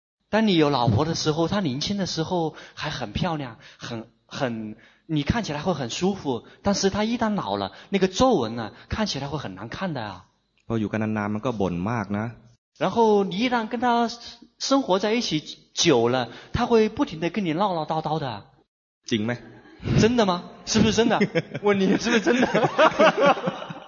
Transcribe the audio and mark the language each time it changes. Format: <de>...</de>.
<zh>当你有老婆的时候她年轻的时候还很漂亮很你看起来会很舒服但是她一旦老了那个皱纹呢看起来会很难看的啊</zh> <th>พออยู่กันนานๆมันก็บ่นมากนะ</th> <zh>然后你一旦跟她生活在一起久了她会不停地跟你唠唠叨叨的</zh> <th>จริงไหม</th> <zh>真的吗是不是真的问你是不是真的</zh>